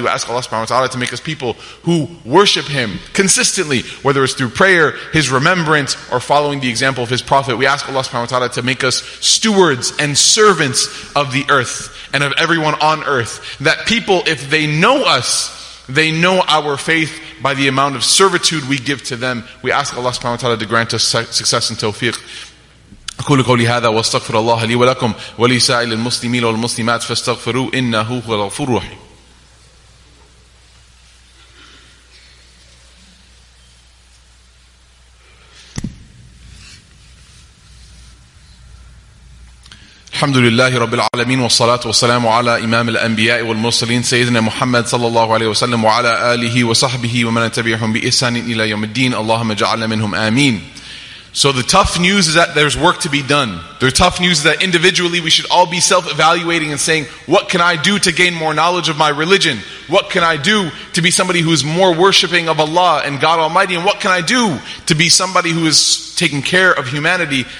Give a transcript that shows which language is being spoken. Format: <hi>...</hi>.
<en>We ask Allah subhanahu wa ta'ala to make us people who worship Him consistently, whether it's through prayer, His remembrance, or following the example of His Prophet. We ask Allah subhanahu wa ta'ala to make us stewards and servants of the earth and of everyone on earth, that people, if they know us, they know our faith by the amount of servitude we give to them. We ask Allah subhanahu wa ta'ala to grant us success and tawfiq.</en> <ar>أقول قولي هذا واستغفر الله لي ولكم ولسائر المسلمين والمسلمات فاستغفروا إنه هو الغفور الرحيم. الحمد لله رب العالمين والصلاة والسلام على إمام الأنبياء والمرسلين سيدنا محمد صلى الله عليه وسلم وعلى آله وصحبه ومن تبعهم بإحسان إلى يوم الدين اللهم اجعلنا منهم آمين.</ar> <en>So the tough news is that there's work to be done. The tough news is that individually we should all be self-evaluating and saying, what can I do to gain more knowledge of my religion? What can I do to be somebody who is more worshiping of Allah and God Almighty? And what can I do to be somebody who is taking care of humanity?</en>